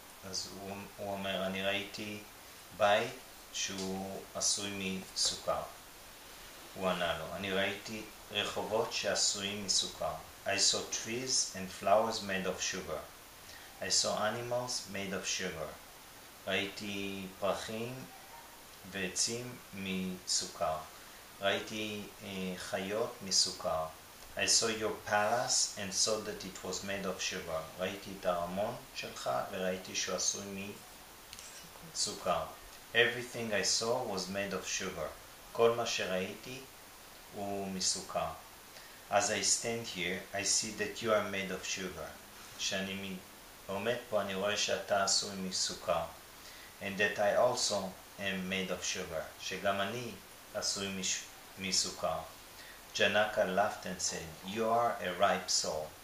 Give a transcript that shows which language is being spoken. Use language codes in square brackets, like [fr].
[he] אז הוא אומר, אני ראיתי בית שהוא עשוי מסוכר. הוא ענה לו, אני ראיתי רחובות שעשויים מסוכר. [en] I saw trees and flowers made of sugar. I saw animals made of sugar. [he] ראיתי פרחים ועצים מסוכר. ראיתי חיות מסוכר. [en] I saw your palace and saw that it was made of sugar. [he] ראיתי את הארמון שלך וראיתי שהוא עשוי מסוכר. [en] Everything I saw was made of sugar. [he] כל מה שראיתי הוא מסוכר. [en] As I stand here, I see that you are made of sugar. [he] כשאני עומד פה, אני רואה שאתה עשוי מסוכר. [en] And that I also am made of sugar. [he] שגם אני עשוי מסוכר. [en] Janaka laughed and said, you are a ripe soul.